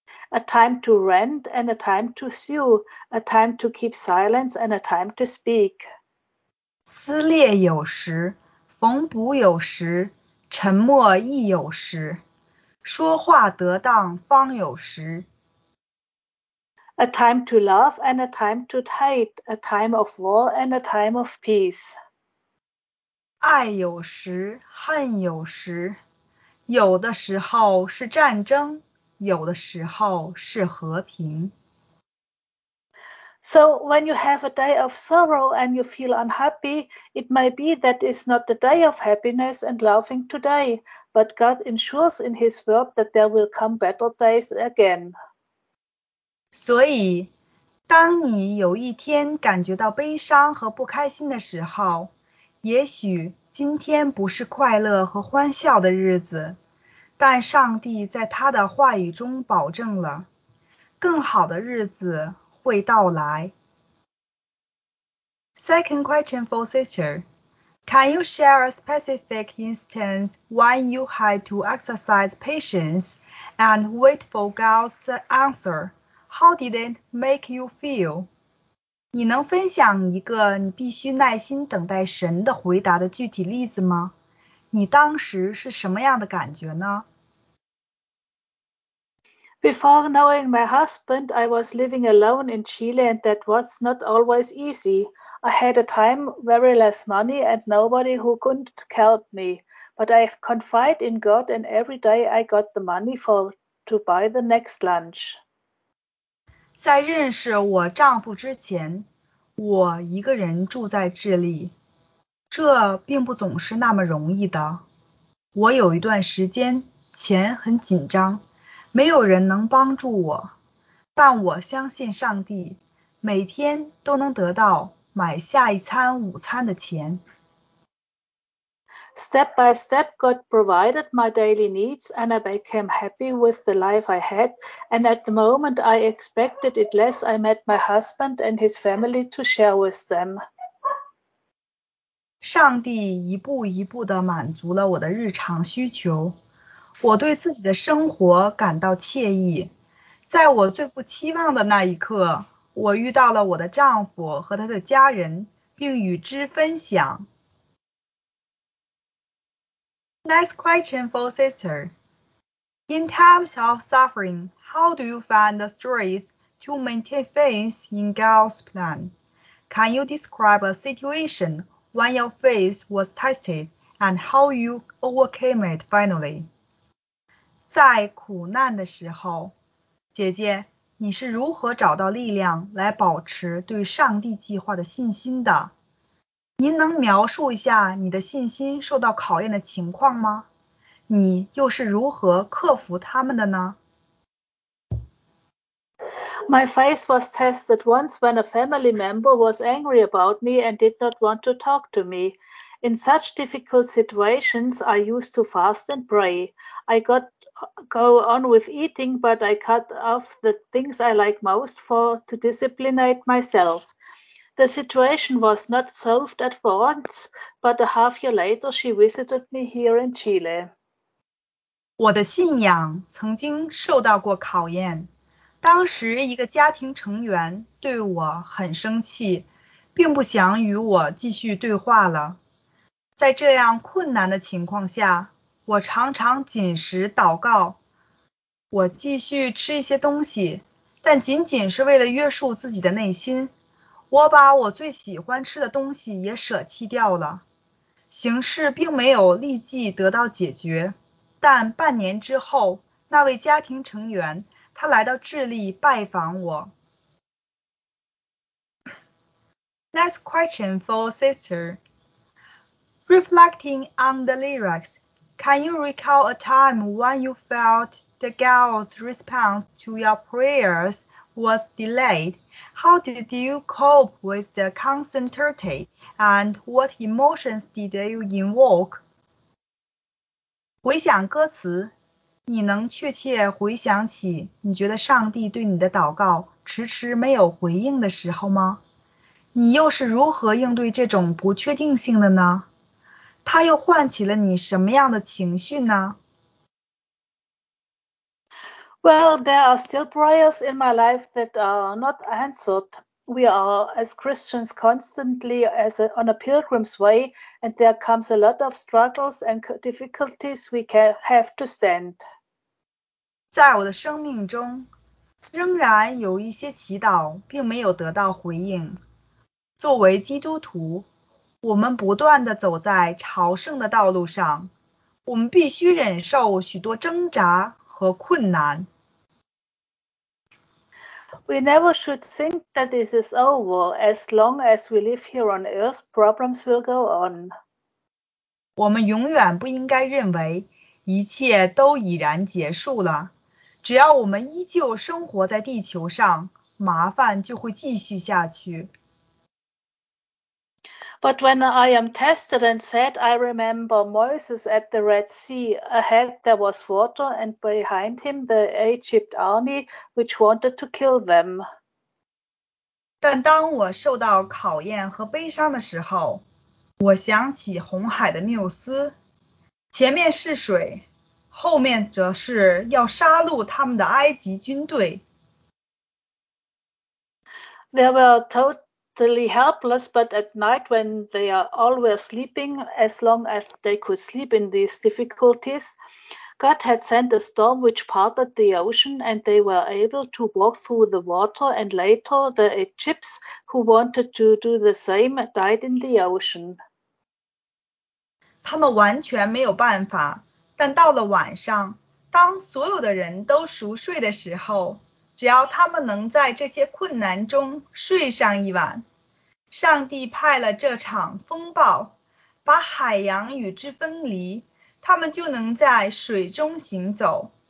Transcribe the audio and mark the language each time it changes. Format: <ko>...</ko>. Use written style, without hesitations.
<en>A time to rend and a time to sew, a time to keep silence and a time to speak.</en> <zh>撕裂有时，缝补有时，沉默亦有时。说话得当方有时。</zh> <en>A time to love and a time to hate, a time of war and a time of peace.</en> <zh>爱有时，恨有时，有的时候是战争，有的时候是和平。</zh> <en>So when you have a day of sorrow and you feel unhappy, it may be that it's not the day of happiness and laughing today. But God ensures in His word that there will come better days again.</en> <zh>所以，当你有一天感觉到悲伤和不开心的时候，也许今天不是快乐和欢笑的日子，但上帝在他的话语中保证了，更好的日子会到来。</zh> <en>Second question for sister. Can you share a specific instance when you had to exercise patience and wait for God's answer? How did it make you feel?</en> <zh>你能分享一个你必须耐心等待神的回答的具体例子吗？你当时是什么样的感觉呢？</zh> <en>Before knowing my husband, I was living alone in Chile and that was not always easy. I had a time, very less money and nobody who couldn't help me. But I confide in God and every day I got the money to buy the next lunch.</en> <zh>在认识我丈夫之前，我一个人住在智利，这并不总是那么容易的。我有一段时间钱很紧张，没有人能帮助我，但我相信上帝，每天都能得到买下一餐午餐的钱。</zh> <en>Step by step, God provided my daily needs, and I became happy with the life I had. And at the moment, I expected it less. I met my husband and his family to share with them.</en> <zh>上帝一步一步地满足了我的日常需求，我对自己的生活感到惬意。在我最不期望的那一刻，我遇到了我的丈夫和他的家人，并与之分享。</zh> <en>Next question for sister. In times of suffering, how do you find the strength to maintain faith in God's plan? Can you describe a situation when your faith was tested and how you overcame it finally?</en> <zh>在苦难的时候，姐姐，你是如何找到力量来保持对上帝计划的信心的？您能描述一下你的信心受到考验的情况吗？你又是如何克服他们的呢？</zh> <en>My faith was tested once when a family member was angry about me and did not want to talk to me. In such difficult situations, I used to fast and pray. I got go on with eating, but I cut off the things I like most for to disciplinate myself. The situation was not solved at once, but a half year later, she visited me here in Chile.</en> <zh>我的信仰曾经受到过考验。当时一个家庭成员对我很生气，并不想与我继续对话了。在这样困难的情况下，我常常紧食祷告。我继续吃一些东西，但仅仅是为了约束自己的内心。我把我最喜欢吃的东西也舍弃掉了，形势并没有立即得到解决，但半年之后，那位家庭成员，他来到智利拜访我。</zh> <en>Next question for sister. Reflecting on the lyrics, can you recall a time when you felt the God's response to your prayers was delayed? How did you cope with the uncertainty, and what emotions did you invoke?</en> <zh>回想歌词，你能确切回想起你觉得上帝对你的祷告迟迟没有回应的时候吗？你又是如何应对这种不确定性的呢？它又唤起了你什么样的情绪呢？</zh> <en>Well, there are still prayers in my life that are not answered. We are, as Christians, constantly on a pilgrim's way, and there comes a lot of struggles and difficulties we have to stand.</en> <zh>在我的生命中，仍然有一些祈祷并没有得到回应。作为基督徒，我们不断地走在朝圣的道路上，我们必须忍受许多挣扎和困难。</zh> <en>We never should think that this is over. As long as we live here on earth, problems will go on.</en> <zh>我们永远不应该认为一切都已然结束了。只要我们依旧生活在地球上，麻烦就会继续下去。</zh> <en>But when I am tested and sad, I remember Moses at the Red Sea. Ahead there was water, and behind him the Egypt army, which wanted to kill them.</en> <zh>但当我受到考验和悲伤的时候，我想起红海的缪斯，前面是水，后面则是要杀戮他们的埃及军队。</zh> <en>There were totally helpless, but at night when they are all were sleeping, as long as they could sleep in these difficulties, God had sent a storm which parted the ocean and they were able to walk through the water, and later the Egyptians who wanted to do the same died in the ocean.</en> <zh>他们完全没有办法，但到了晚上，当所有的人都熟睡的时候，只要他们能在这些困难中睡上一晚，上帝派了这场风暴，把海洋与之分离，他们就能在水中行走。</zh>